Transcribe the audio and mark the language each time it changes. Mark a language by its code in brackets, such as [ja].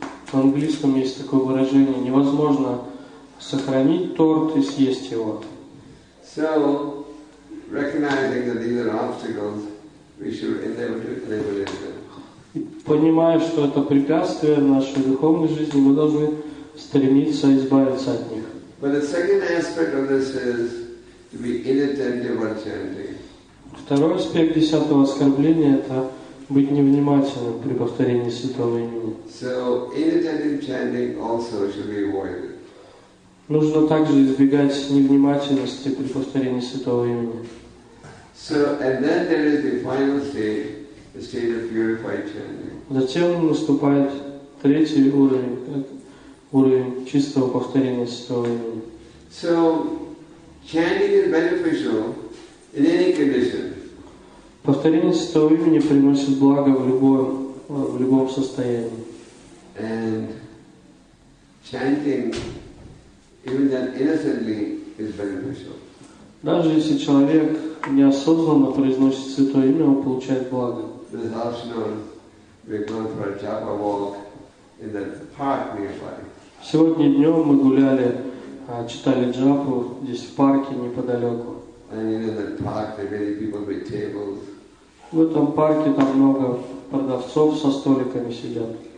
[ru] В английском есть такое выражение: невозможно сохранить торт и съесть его. [en] So, recognizing that these are obstacles, we should endeavor to eliminate them. [ru] Понимая, что это препятствие в нашей духовной жизни, мы должны стремиться избавиться от них. [en] But the second aspect of this is to be inattentive while chanting. [ru] Второй аспект десятого оскорбления — это быть невнимательным при повторении святого имени. [en] So, inattentive chanting also should be avoided. [ru] Нужно также избегать невнимательности при повторении святого имени. [en] So, and then there is the final stage, the state of purified chanting. [ru] Затем наступает третий уровень, уровень чистого повторения святого имени. [en] So, chanting is beneficial in any condition. [ru] Повторение святого имени приносит благо в любом состоянии. [en] And chanting, even then, innocently, is beneficial. [ru] Даже если человек неосознанно произносит святое имя, он получает благо. [en] This afternoon we go for a japa walk in the park nearby. [ru] Сегодня днем мы гуляли, читали джапу здесь в парке неподалеку. [en] And in the park there are many people with tables. [ru] В этом парке там много продавцов со столиками сидят.